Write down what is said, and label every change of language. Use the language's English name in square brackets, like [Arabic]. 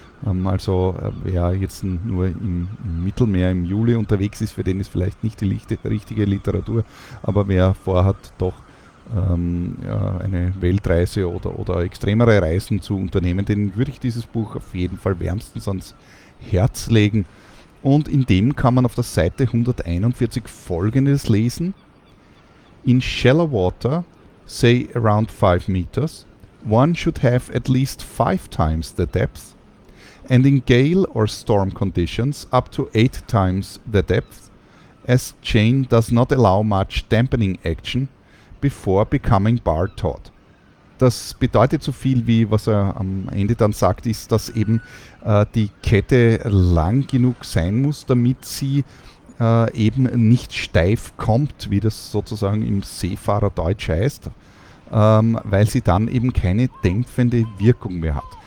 [German] Also wer jetzt nur im Mittelmeer im Juli unterwegs ist, für den ist vielleicht nicht die richtige Literatur, aber wer vorhat, doch eine Weltreise oder extremere Reisen zu unternehmen, den würde ich dieses Buch auf jeden Fall wärmstens ans Herz legen. Und in dem kann man auf der Seite 141 Folgendes lesen. [English] In shallow water, say around 5 meters, one should have at least 5 times the depth, and in gale or storm conditions, up to 8 times the depth, as chain does not allow much dampening action before becoming bar taut. [German] Das bedeutet so viel wie, was er am Ende dann sagt, ist, dass eben die Kette lang genug sein muss, damit sie eben nicht steif kommt, wie das sozusagen im Seefahrerdeutsch heißt, weil sie dann eben keine dämpfende Wirkung mehr hat.